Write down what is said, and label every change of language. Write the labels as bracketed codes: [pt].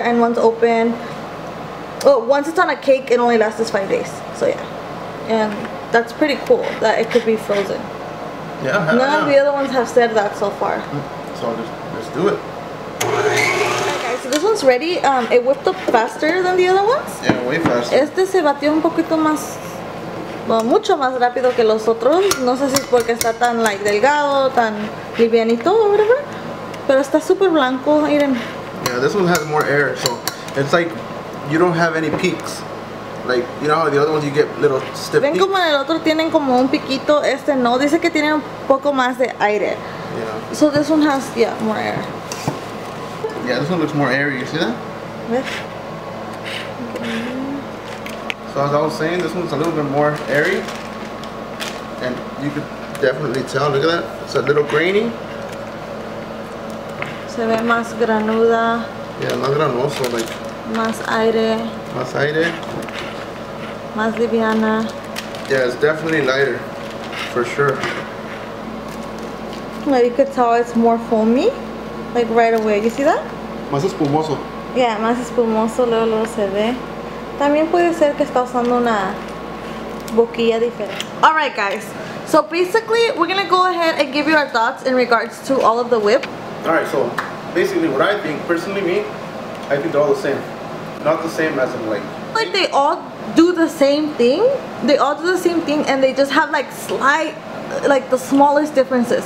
[en] And once open, once it's on a cake, it only lasts this 5 days. So yeah, and. That's pretty cool that it could be frozen. Yeah. None of the other ones have said that so far. So let's do it. Alright, guys, so this one's ready. It whipped up faster than the other ones. Yeah, way faster. [es] Este se batió un poquito más, bueno, mucho más rápido que los otros. No sé si es porque está tan like delgado, tan livianito, [en] or whatever. [es] Pero está super blanco, miren. [en] Yeah, this one has more air, so it's like you don't have any peaks. Like, you know how the other ones you get little stiff. [es] Ven como el otro tienen como un piquito, este no, dice que tiene un poco más de aire. [en] Yeah. So this one has, yeah, more air. Yeah, this one looks more airy, you see that? Yes. Okay. So as I was saying, this one's a little bit more airy. And you could definitely tell, look at that, it's a little grainy. [es] Se ve más granuda. Yeah, más granoso, like. Más aire. Más aire. Más liviana. [en] Yeah, it's definitely lighter, for sure. Now you could tell it's more foamy, like right away. You see that? [es] Más espumoso. Yeah, más espumoso, luego se ve. También puede ser que está usando una boquilla diferente. [en] All right, guys. So basically, we're gonna go ahead and give you our thoughts in regards to all of the whip. All right, so basically what I think, personally me, I think they're all the same. Not the same as in like. Like they all do the same thing. They all do the same thing and they just have like slight, like the smallest differences.